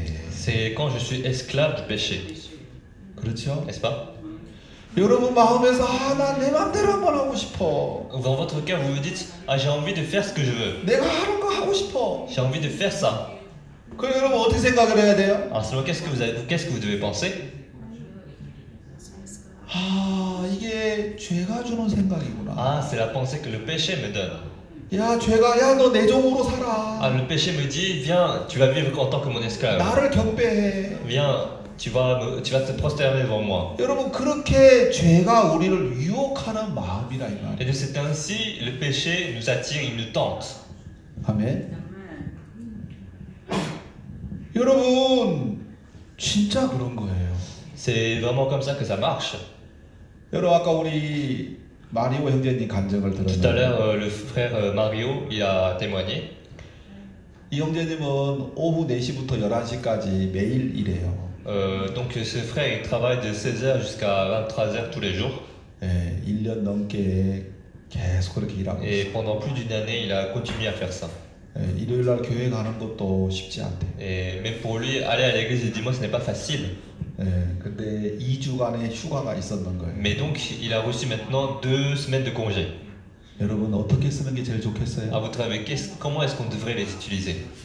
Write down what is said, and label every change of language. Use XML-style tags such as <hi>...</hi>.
<fr>C'est quand je suis esclave du péché.</fr> <ko>그렇죠?</ko> <fr>N'est-ce pas?</fr> <ko>여러분 마음에서 아, 나 내 마음대로 한번 하고 싶어.</ko> <fr>Dans votre cœur, vous vous dites, ah, j'ai envie de faire ce que je veux.</fr> <ko>내가 하는 거 하고 싶어.</ko> <fr>J'ai envie de faire ça.</fr> <ko>그럼 여러분 어떻게 생각을 해야 돼요?</ko> <fr>Alors, qu'est-ce que vous devez penser?</fr> <ko>이게 죄가 주는 생각이구나.</ko> <fr>Ah, c'est la pensée que le péché me donne.</fr> <ko>야, 죄가, 야, 너내 종으로 Ah, 살아.</ko> <fr>le péché me dit, viens, tu vas vivre en tant que mon esclave.</fr> <ko>나를 경배해.</ko> <fr>Viens, tu vas te prosterner devant moi.</fr> <ko>여러분, 그렇게 죄가 우리를 유혹하는 마음이라 이</ko> <fr>Et de cet ainsi, le péché nous attire, il nous tente.</fr> <ko>말이에요. 아멘. 여러분, 진짜 그런 거예요.</ko> <fr>C'est vraiment comme ça que ça marche.</fr> <ko>Alors, 아까 우리 마리오 형제님 간증을</ko> <fr>Tout à</fr> <ko>들었는데,</ko> <fr>l'heure, le frère Mario il a témoigné.</fr> <ko>이 형제님은 오후 4시부터 11시까지 매일 일해요.</ko> <fr>Donc, ce frère, il travaille de 16h jusqu'à 23h tous les jours.</fr> <ko>예, 1년 넘게 계속 그렇게 일하고</ko> <fr>Et pendant plus d'une année, il a continué à faire ça.</fr> <ko>있어요. 예, 일요일 날 교회 가는 것도 쉽지 않대.</ko> <fr>Et, mais pour lui, aller à l'église dimanche, ce n'est pas facile.</fr> <ko>예, 근데 2주간의 휴가가 있었던 거예요.</ko> <fr>Mais donc, il a reçu maintenant 2 semaines de congé.</fr> <ko>여러분, 어떻게 쓰는 게 제일 좋겠어요?</ko> <fr>À votre avis, comment est-ce qu'on devrait les utiliser?</fr>